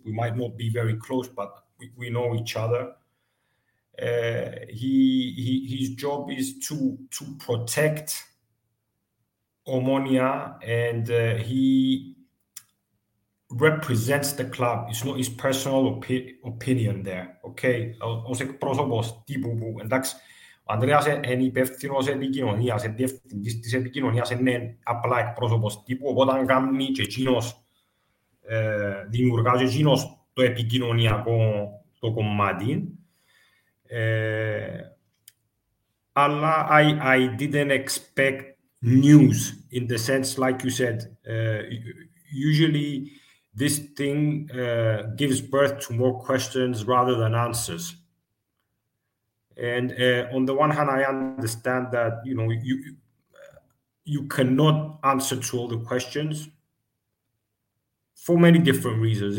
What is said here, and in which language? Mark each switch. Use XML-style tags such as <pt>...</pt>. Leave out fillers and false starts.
<en>We might not be very close, but we know each other. His job is to protect Omonia, and he represents the club. It's not his personal opinion there.</en> <el>Okay, ως εκπρόσωπος τύπου, εντάξει. Ο Ανδρέας είναι υπεύθυνος επικοινωνίας, διευθυντής της επικοινωνίας, είναι απλά εκπρόσωπος τύπου, οπότε αν κάνει και εκείνος, δημιουργά και εκείνος το επικοινωνιακό το κομμάτι.</el> <en>Αλλά I didn't expect news, in the sense, like you said, usually this thing gives birth to more questions rather than answers. And on the one hand, I understand that, you know, you cannot answer to all the questions for many different reasons.</en>